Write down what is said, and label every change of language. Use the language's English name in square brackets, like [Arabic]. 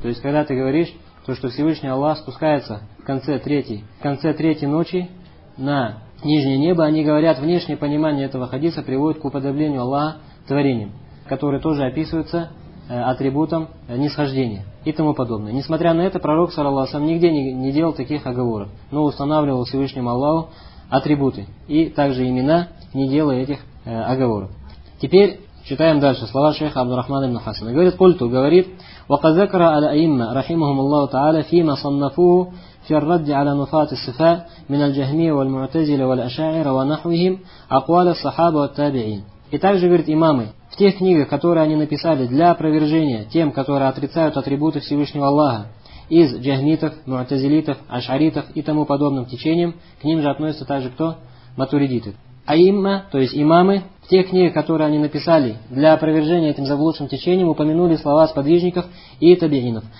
[Russian] То есть, когда ты говоришь, то, что Всевышний Аллах спускается в конце третьей ночи на нижнее небо, они говорят, внешнее понимание этого хадиса приводит к уподоблению Аллаха творением, которое тоже описывается атрибутом нисхождения и тому подобное. Несмотря на это, пророк, саллаллаху алейхи ва саллям, нигде не делал таких оговорок, но устанавливал Всевышнему Аллаху атрибуты и также имена, не делая этих оговорок. Теперь читаем дальше слова шейха Абдурахмана ибн Хасана. Говорит, культу, говорит, [Arabic] وَقَذَكَرَ أَلَئِمَّ رَحِمُهُمُ اللَّهُ تَعَالَى فِي مَا صَنَّفُوهُ فِي الرَّدِّ عَلَى نُفَاتِ الصِّفَاء مِنَ الْجَهْمِيَ وَالْمُعْتَزِلَ وَالْأَشَاعِرَ وَنَحْوِهِمْ أَقْوَالَ الصَّحَابَةِ وَالتَّابِعِينَ. [Russian] И также, говорит, имамы, в тех книгах, которые они написали для опровержения тем, которые отрицают атрибуты Всевышнего Аллаха, из джахмитов, муатазилитов, ашаритов и тому подобным течением, к ним же относятся также кто? Матуридиты. Аимма, то есть имамы, в тех книгах, которые они написали для опровержения этим заблудшим течением, упомянули слова сподвижников и табиинов.